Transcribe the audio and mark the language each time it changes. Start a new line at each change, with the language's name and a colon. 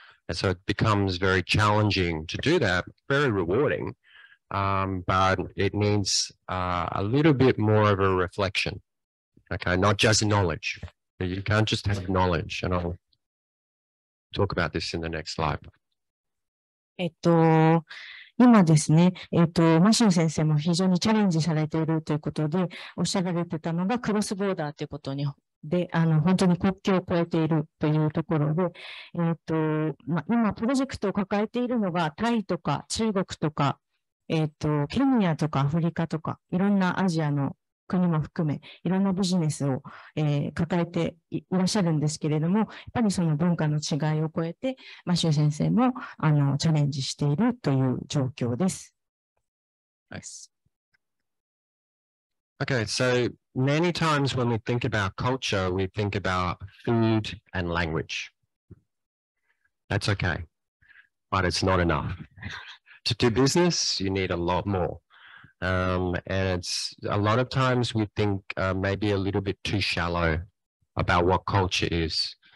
English: And so it becomes very challenging to do that, very rewarding. But it needs a little bit more of a reflection, okay? Not just knowledge. You can't just have knowledge. And I'll talk about this in the next slide.
Japanese: 今ですね、マシュー先生も非常にチャレンジされているということで、おっしゃられてたのがクロスボーダーということに。で本当に国境を越えているというところで、今プロジェクトを抱えているのがタイとか中国とか、ケニアとかアフリカとかいろんなアジアの国も含めいろんなビジネスを、抱えて いらっしゃるんですけれども、やっぱりその文化の違いを超えてマシュー先生もチャレンジしているという状況です。
English: Okay, so many times when we think about culture, we think about food and language. That's okay, but it's not enough. To do business, you need a lot more. And it's a lot of times we think maybe a little bit too shallow about what culture is.